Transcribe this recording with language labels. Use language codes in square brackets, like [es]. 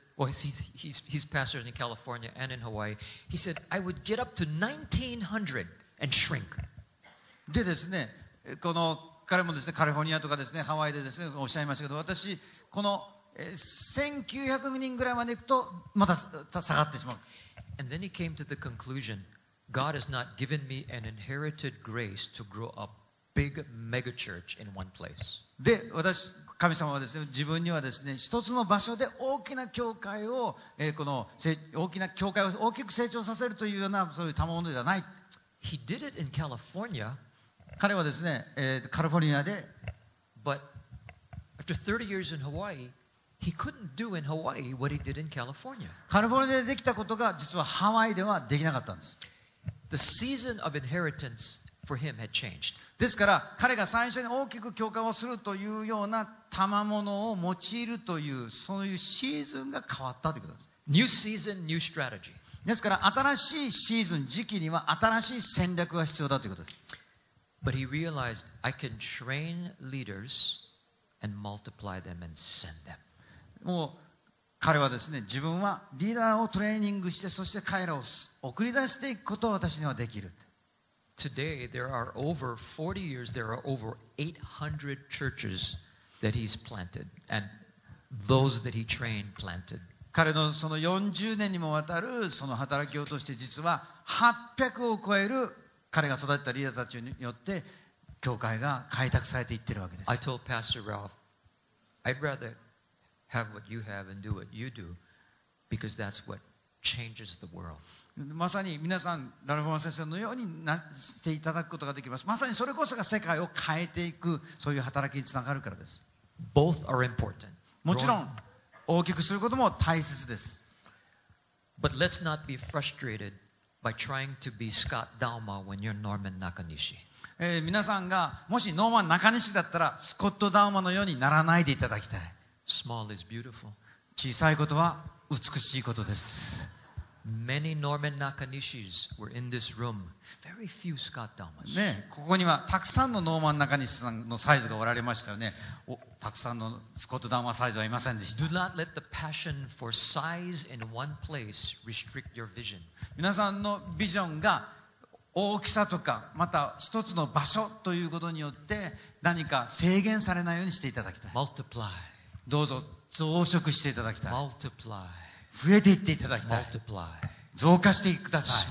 [en] Well, he's pastor in California and in Hawaii. He said I would get up to 1,900 and shrink. [ja] でですね、この彼もですね、カリフォルニアとかですね、ハワイでですね、おっしゃいましたけど、私この1900人ぐらいまで行くとまた下がってしまう。 [en] And then he came to the conclusion, God has not given me an inherited grace to grow a big mega church in one place. [ja] で、私神様はですね、自分にはですね、一つの場所で大きな教会を、この大きな教会を大きく成長させるというようなそういう賜物ではない。 [en] He did it in California. [ja] 彼はですね、カリフォルニアで [en] But after 30 years in Hawaii, He couldn't do in Hawaii what he did in California. [ja] カリフォルニアでできたことが実はハワイではできなかったんです。 [en] The season of inheritance for him had changed. [ja] ですから彼が最初に大きく教官をするというような賜物を用いるというそういうシーズンが変わったということです。 [en] New season, new strategy. [ja] ですから新しいシーズン時期には新しい戦略が必要だということです。 [en] But he realized I can train leaders and multiply them and send them. [ja] もう彼はですね、自分はリーダーをトレーニングして、そして彼らを送り出していくことを私にはできる。 [en] Today, there are over 40 years, there are over 800 churches that he's planted, and those that he trained planted. [ja] 彼のその40年にもわたるその働きを通して、実は800を超える彼が育てたリーダーたちによって、教会が開拓されていってるわけです。 [en] I told Pastor Ralph, I'd rather... Have what you have and do what you do, because that's what changes the world. [ja] まさに皆さんダルフォーマ先生のようになっていただくことができます。まさにそれこそが世界を変えていくそういう働きにつながるからです。 [en] Both are important. [ja] もちろん大きくすることも大切です。 [en] But let's not be frustrated by trying to be Scott Dalma when you're Norman Nakanishi. [ja] 皆さんがもしノーマン中西だったらスコット・ダウマのようにならないでいただきたい。 [en] Small is beautiful. [ja] 小さいことは美しいことです。 [en] Many Norman Nakanishis were in this room. Very few Scott Dalmas. [ja] ね、ここにはたくさんのノーマン中西さんのサイズがおられましたよね。お、たくさんのスコット・ダルマサイズはいませんでした。 [en] Do not let the passion for size in one place restrict your vision. [ja] 皆さんのビジョンが大きさとかまた一つの場所ということによって何か制限されないようにしていただきたい。 [en] Multiply. [ja] どうぞ増殖していただきたい。 [en] Multiply. [ja] 増えていっていただきたい。 [en] Multiply. [ja] 増加してください。